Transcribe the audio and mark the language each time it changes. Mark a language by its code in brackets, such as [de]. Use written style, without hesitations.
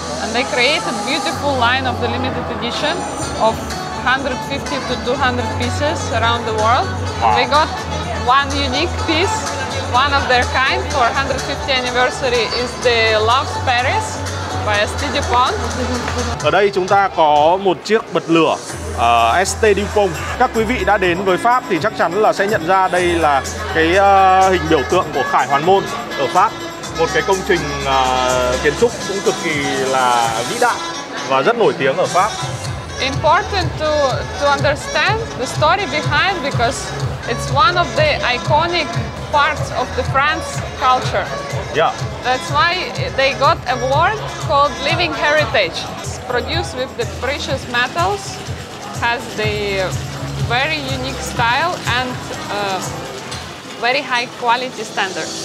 [en] And they created a beautiful line of the limited edition of 150 to 200 pieces around the world. Wow. And they got one unique piece, one of their kind for 150th anniversary, is the Loves Paris by ST Dupont. [vi] Ở đây chúng ta có một chiếc bật lửa ST Dupont. Các quý vị đã đến với Pháp thì chắc chắn là sẽ nhận ra đây là cái hình biểu tượng của Khải Hoàn Môn ở Pháp. Một cái công trình kiến trúc cũng cực kỳ là vĩ đại và rất nổi tiếng ở Pháp. [en] Important to understand the story behind, because it's one of the iconic parts of the France culture. Yeah. That's why they got an award called Living Heritage. It's produced with the precious metals, has the very unique style and very high quality standard.